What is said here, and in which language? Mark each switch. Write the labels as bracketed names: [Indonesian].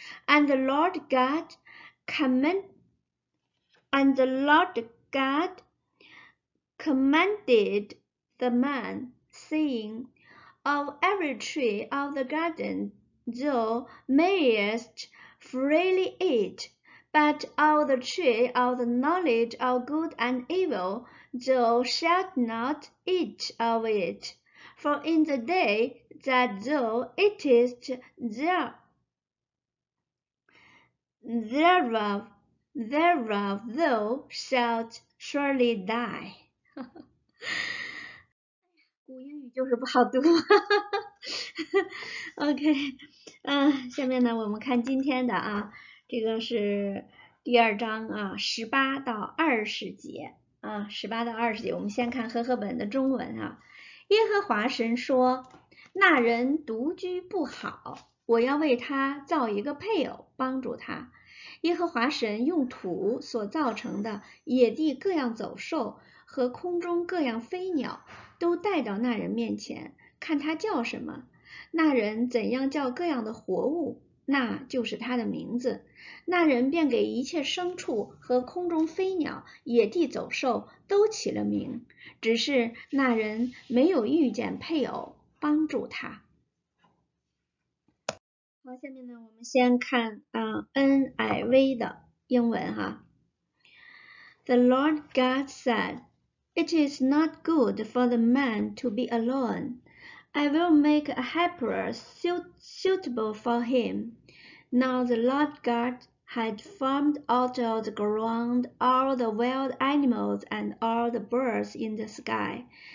[English] And the Lord God commanded the man, saying, of every tree of the garden thou mayest freely eat, but of the tree of the knowledge of good and evil thou shalt not eat of it. For in the day that thou eatest thereof thou shalt surely die. [Chinese] 古英语就是不好读，OK，下面呢，我们看今天的啊，这个是第二章啊，18到20节啊，18到20节，我们先看和合本的中文啊。耶和华神说，那人独居不好，我要为他造一个配偶，帮助他。耶和华神用土所造成的野地各样走兽和空中各样飞鸟，都带到那人面前，看他叫什么，那人怎样叫各样的活物。那就是他的名字。那人便给一切牲畜和空中飞鸟、野地走兽都起了名，只是那人没有遇见配偶帮助他。好，下面呢，我们先看NIV 的英文哈。 [English] The Lord God said, "It is not good for the man to be alone. I will make a helper suitable for him." Now the Lord God had formed out of the ground all the wild animals and all the birds in the sky.